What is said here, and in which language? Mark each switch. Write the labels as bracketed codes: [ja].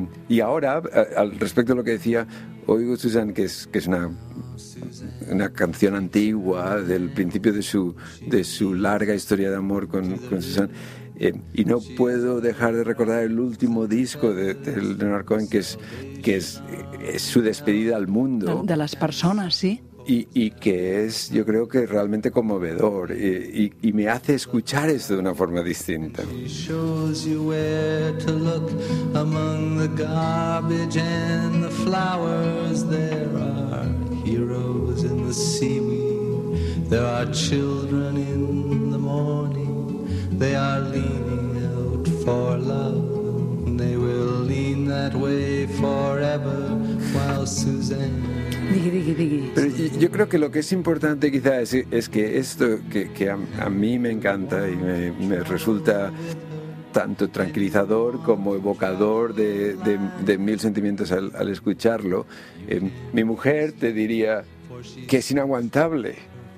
[es] Y ahora, al respecto de lo que decía, oigo Susan, que es una canción antigua del principio de su larga historia de amor con Susan, y no puedo dejar de recordar el último disco de Leonard Cohen, que es su despedida al mundo. De las personas, sí. Y que es, yo creo que realmente conmovedor, y me hace escuchar esto de una forma distinta. [en] She shows you where to look among the garbage and the flowers. There are heroes in the seaweed. There are children in the morning. They are leaning out for love. They will lean that way forever while Suzanne. [es] Pero yo creo que lo que es importante quizás es que esto que a mí me encanta y me resulta tanto tranquilizador como evocador de mil sentimientos al escucharlo, mi mujer te diría que es inaguantable.